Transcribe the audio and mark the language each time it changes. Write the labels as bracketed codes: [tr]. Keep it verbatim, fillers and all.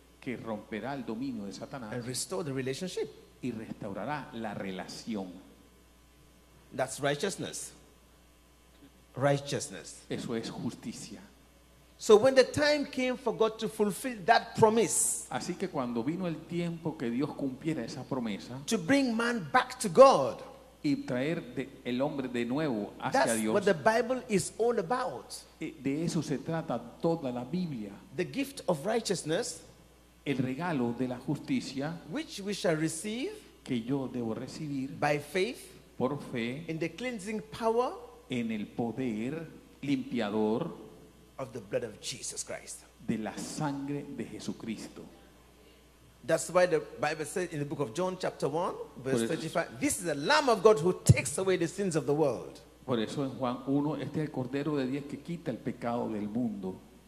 [es] que romperá el dominio de [en] and [es] Satanás [en] restore the relationship. [es] y restaurará la relación. [en] That's righteousness. Righteousness. [es] Eso es justicia. [en] So when the time came for God to fulfill that promise, [es] Así que cuando vino el tiempo que Dios cumpliera esa promesa [en] to bring man back to God, [es] y traer de- el hombre de nuevo hacia [en] that's [es] Dios, [en] what the Bible is all about. [es] eh, de eso se trata toda la Biblia. [en] The gift of righteousness, [es] El regalo de la justicia [en] which we shall receive [es] que yo debo recibir [en] by faith [es] por fe [en] in the cleansing power [es] en el poder limpiador [en] of the blood of Jesus Christ. [es] de la sangre de Jesucristo. [en] That's why the Bible says in the book of John, chapter one, verse [es] Por eso- [en] thirty-five, this is the Lamb of God who takes away the sins of the world. [es] Por eso en Juan uno, este es el Cordero de Dios que quita el pecado del mundo.